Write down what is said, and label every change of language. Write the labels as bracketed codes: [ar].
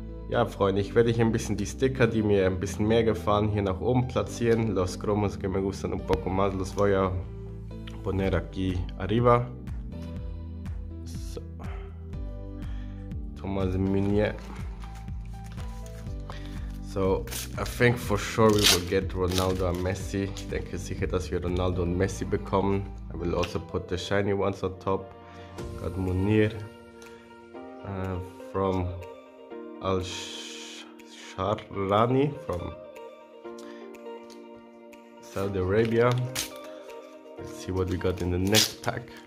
[de] Ja, Freunde, ich werde hier ein bisschen die Sticker, die mir ein bisschen mehr gefallen, hier nach oben platzieren. [es] Los cromos que me gustan un poco más los voy a poner aquí arriba. [en] So. Thomas Meunier. So, I think for sure we will get Ronaldo and Messi. [de] Ich denke sicher, dass wir Ronaldo und Messi bekommen. [en] I will also put the shiny ones on top. Got Munir from Al-Sharrani from Saudi Arabia. Let's see what we got in the next pack.